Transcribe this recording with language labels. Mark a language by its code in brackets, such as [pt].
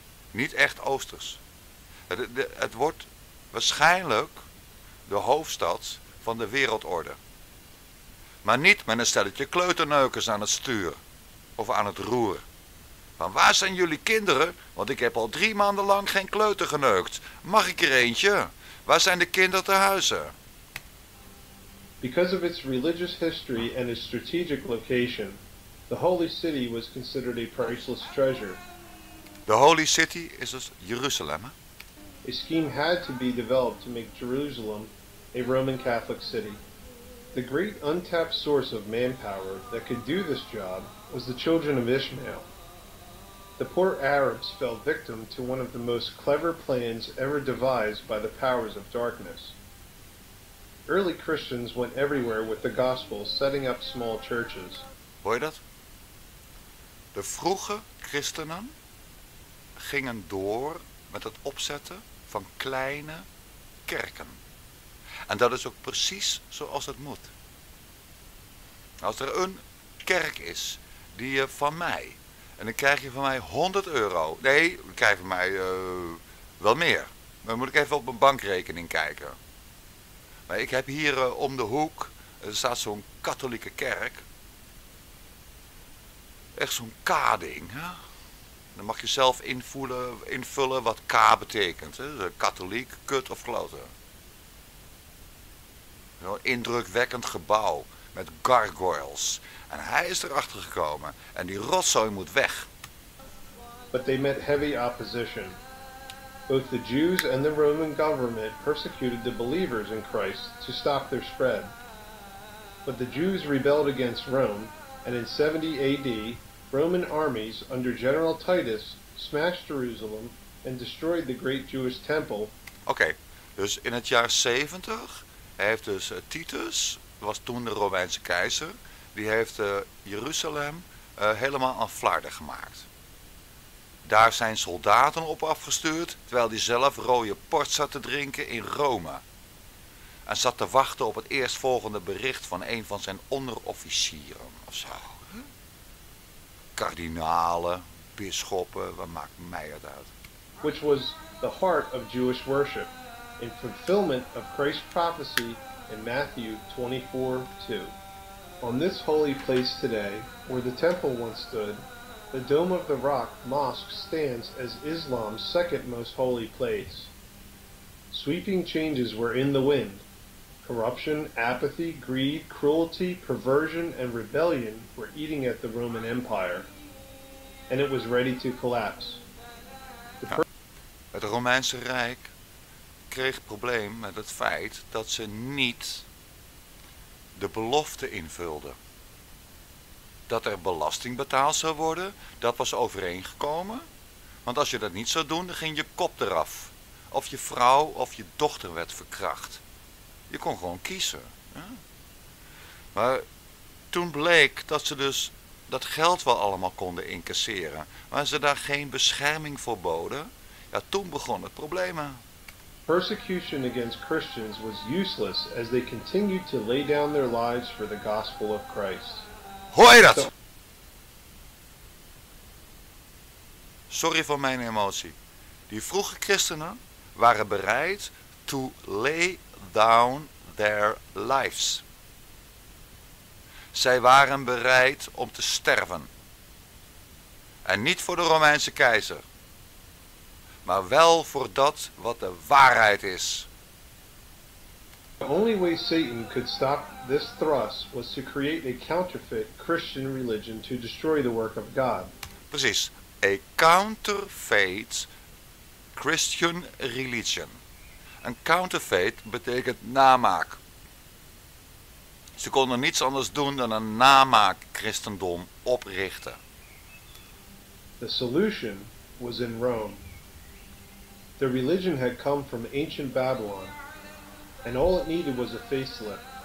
[nl] Niet echt oosters. Het wordt waarschijnlijk de hoofdstad van de wereldorde. Maar niet met een stelletje kleuterneukers aan het stuur. Of aan het roer. Van waar zijn jullie kinderen? Want ik heb al 3 maanden lang geen kleuter geneukt. Mag ik er eentje? Waar zijn de kinderen te huizen? [en] Because of its religious history and its strategic location, the Holy City was considered a priceless treasure. The Holy City is dus Jeruzalem. A scheme had to be developed to make Jerusalem a Roman Catholic city. The great untapped source of manpower that could do this job was the children of Ishmael. The poor Arabs fell victim to one of the most clever plans ever devised by the powers of darkness. Early Christians went everywhere with the gospel, setting up small churches. [nl] Hoor je dat? De vroege christenen gingen door met het opzetten van kleine kerken. En dat is ook precies zoals het moet. Als er een kerk is die je van mij, en dan krijg je van mij 100 euro. Nee, dan krijg je van mij wel meer. Dan moet ik even op mijn bankrekening kijken. Maar ik heb hier om de hoek, er staat zo'n katholieke kerk. Echt zo'n K-ding. Hè? Dan mag je zelf invullen wat K betekent. Hè? Katholiek, kut of klote. Zo'n indrukwekkend gebouw met gargoyles. En hij is erachter gekomen. En die rotzooi moet weg. [en] But they met heavy opposition. Both the Jews and the Roman government persecuted the believers in Christ to stop their spread. But the Jews rebelled against Rome, and in 70 AD, Roman armies under General Titus smashed Jerusalem and destroyed the great Jewish temple. [nl] Okay, dus in het jaar 70 heeft dus Titus, was toen de Romeinse keizer, die heeft Jeruzalem helemaal aan flarden gemaakt. Daar zijn soldaten op afgestuurd, terwijl die zelf rode port zat te drinken in Rome. En zat te wachten op het eerstvolgende bericht van een van zijn onderofficieren. Of zo. Kardinalen, bisschoppen, wat maakt mij het uit? [en] Which was the heart of Jewish worship, in fulfillment of Christ's prophecy in Matthew 24:2. On this holy place today, where the temple once stood, the Dome of the Rock Mosque stands as Islam's second most holy place. Sweeping changes were in the wind. Corruption, apathy, greed, cruelty, perversion, and rebellion were eating at the Roman Empire. And it was ready to collapse. [nl] Het Romeinse Rijk kreeg probleem met het feit dat ze niet de belofte invulden. Dat er belasting betaald zou worden, dat was overeengekomen. Want als je dat niet zou doen, dan ging je kop eraf. Of je vrouw of je dochter werd verkracht. Je kon gewoon kiezen. Hè? Maar toen bleek dat ze dus dat geld wel allemaal konden incasseren. Maar ze daar geen bescherming voor boden. Ja, toen begon het probleem. [en] Persecution against Christians was useless as they continued to lay down their lives for the gospel of Christ. [nl] Hoor je dat? Sorry voor mijn emotie. Die vroege christenen waren bereid [en] to lay down their lives. [nl] Zij waren bereid om te sterven. En niet voor de Romeinse keizer. Maar wel voor dat wat de waarheid is. [en] The only way Satan could stop this thrust was to create a counterfeit Christian religion to destroy the work of God. Precies, a counterfeit Christian religion. [nl] Een counterfeit betekent namaak. Ze konden niets anders doen dan een namaak christendom oprichten. [en] The solution was in Rome. The religion had come from ancient Babylon. And all it needed was a facelift.